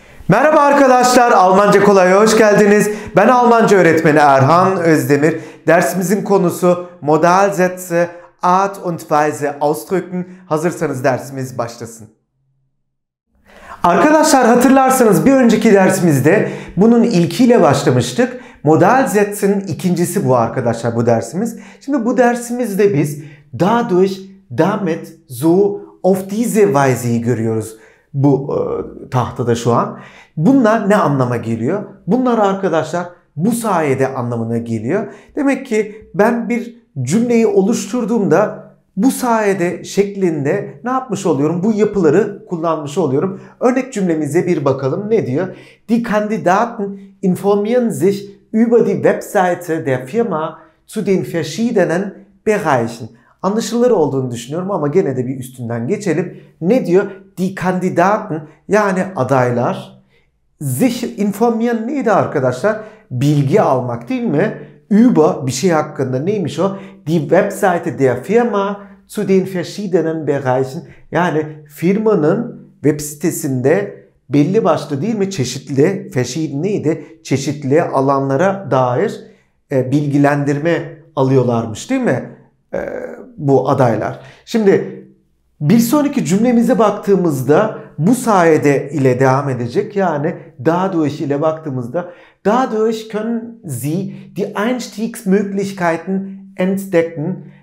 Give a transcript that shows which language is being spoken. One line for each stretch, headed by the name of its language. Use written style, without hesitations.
Turkish: Merhaba arkadaşlar, Almanca Kolay'a hoş geldiniz. Ben Almanca öğretmeni Erhan Özdemir. Dersimizin konusu
German: Modalsätze, Art und Weise ausdrücken.
Turkish: Hazırsanız dersimiz başlasın. Arkadaşlar hatırlarsanız bir önceki dersimizde bunun ilkiyle başlamıştık. Modalsätze'nin ikincisi bu arkadaşlar bu dersimiz. Şimdi bu dersimizde biz
German: dadurch, damit, so, auf diese Weise'yi
Turkish: görüyoruz. Bu tahtada şu an. Bunlar ne anlama geliyor? Bunlar arkadaşlar bu sayede anlamına geliyor. Demek ki ben bir cümleyi oluşturduğumda bu sayede şeklinde ne yapmış oluyorum? Bu yapıları kullanmış oluyorum. Örnek cümlemize bir bakalım. Ne diyor?
German: Die Kandidaten informieren sich über die Webseite der Firma zu den verschiedenen Bereichen.
Turkish: Anlaşılır olduğunu düşünüyorum ama gene de bir üstünden geçelim. Ne diyor?
German: Die Kandidaten,
Turkish: yani adaylar,
German: sich informieren
Turkish: neydi arkadaşlar? Bilgi almak değil mi? Über bir şey hakkında neymiş o?
German: Die Webseite der Firma zu den verschiedenen Bereichen,
Turkish: yani firmanın web sitesinde belli başlı değil mi? Çeşitli, verschieden neydi? Çeşitli alanlara dair bilgilendirme alıyorlarmış değil mi? Bu adaylar. Şimdi bir sonraki cümlemize baktığımızda bu sayede ile devam edecek. Yani dadurch ile baktığımızda
German: dadurch können sie die Einstiegsmöglichkeiten entdecken.